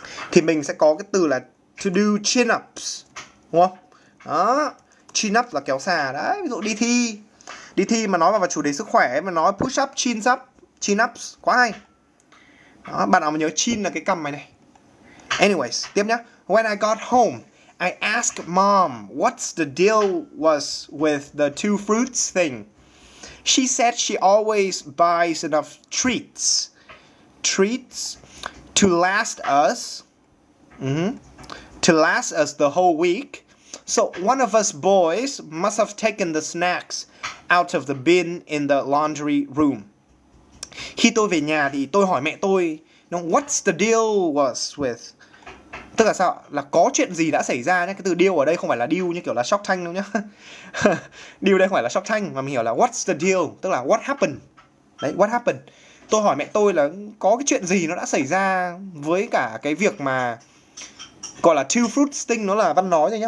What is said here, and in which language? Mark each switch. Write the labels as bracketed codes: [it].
[vi] Thì mình sẽ có cái từ là [en] to do chin ups. [vi] Đúng không? Đó. Chin up là kéo xà đấy, ví dụ đi thi. Đi thi mà nói vào chủ đề sức khỏe mà nói push up, chin up, chin ups, quá hay. Đó, bạn nào mà nhớ chin là cái cằm mày này. Anyways, tiếp nhá. [en] When I got home, I asked mom what's the deal was with the two fruits thing. She said she always buys enough treats to last us. To last us the whole week. So one of us boys must have taken the snacks out of the bin in the laundry room. [vi] Khi tôi về nhà thì tôi hỏi mẹ tôi, [en] what's the deal was with? [vi] Tức là sao? Là có chuyện gì đã xảy ra nhé. Cái từ deal ở đây không phải là deal như kiểu là Shark Tank đâu nhé. Deal đây không phải là Shark Tank, mà mình hiểu là [en] what's the deal, [vi] tức là [en] what happened. [vi] Đấy, what happened. Tôi hỏi mẹ tôi là có cái chuyện gì nó đã xảy ra với cả cái việc mà gọi là [en] two fruits thing, [vi] nó là văn nói rồi nhá.